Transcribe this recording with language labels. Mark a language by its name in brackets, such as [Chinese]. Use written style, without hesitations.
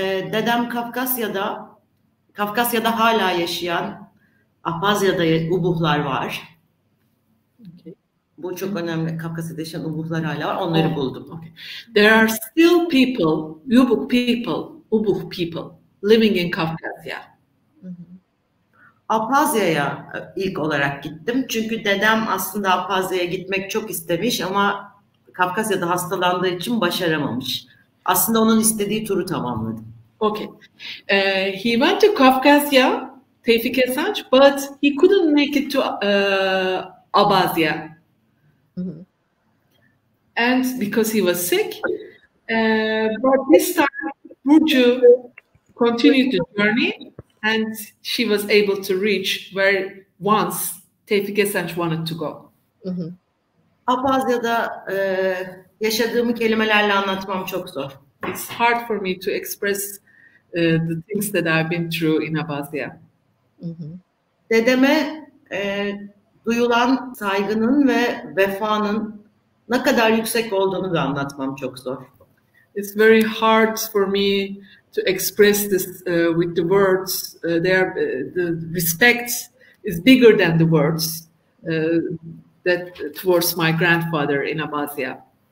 [Turkish] Dedem Kafkasya'da. Kafkasya'da hala yaşayan Abhazya'da Ubykhlar var. Bu çok önemli. Kafkasya'da yaşayan Ubykhlar hala var. Onları buldum. [English] There are still people, Ubykh people living in Kafkasya. [Turkish] Abhazya'ya ilk olarak gittim. Çünkü dedem aslında Abhazya'ya gitmek çok istemiş ama Kafkasya'da hastalandığı için başaramamış. Aslında onun istediği turu tamamladım. [English] Okay, he went to Kafkasya, Tevifik Esenç, but he couldn't make it to Abhazya. And because he was sick, but this time Burcu continued the journey and she was able to reach where once Tevifik Esenç wanted to go. [Turkish] Abhazya'da yaşadığımı kelimelerle anlatmam çok zor. [English] It's hard for me to express the things that I've been through in Abhazya. [Turkish] Dedeme duyulan saygının ve vefanın ne kadar yüksek olduğunu da anlatmam çok zor. [English] It's very hard for me to express this with the words. The respect is bigger than the words that towards my grandfather in Abhazya.